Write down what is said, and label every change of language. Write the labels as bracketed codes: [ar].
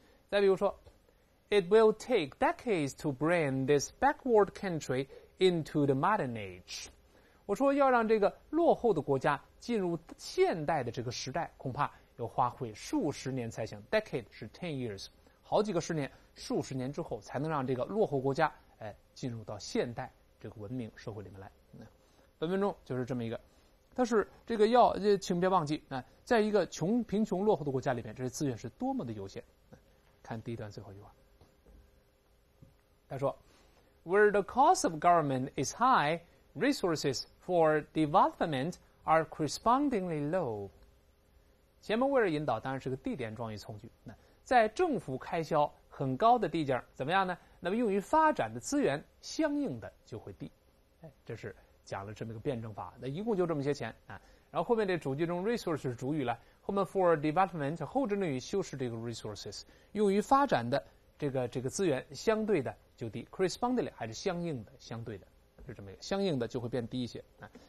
[zh] 再比如说 [en] It will take decades to bring this backward country into the modern age， [zh] 我说要让这个落后的国家进入现代的这个时代，恐怕要花费数十年才行。 decade 是 10 years， 好几个十年，数十年之后才能让这个落后国家进入到现代这个文明社会里面来。本分钟就是这么一个，但是这个药请别忘记，在一个穷贫穷落后的国家里面，这些资源是多么的有限。看第一段最后一句话，他说 [en] Where the cost of government is high, resources for development are correspondingly low。 [zh] 前面 where 引导当然是个地点状语从句，在政府开销很高的地界怎么样呢？那么用于发展的资源相应的就会低。这是讲了这么一个辩证法，那一共就这么些钱啊。然后后面这主句中 resource 是主语了，后面 for development 后置定语修饰这个 resources， 用于发展的这个资源相对的就低， correspondingly 还是相应的，相对的是这么一个，相应的就会变低一些啊。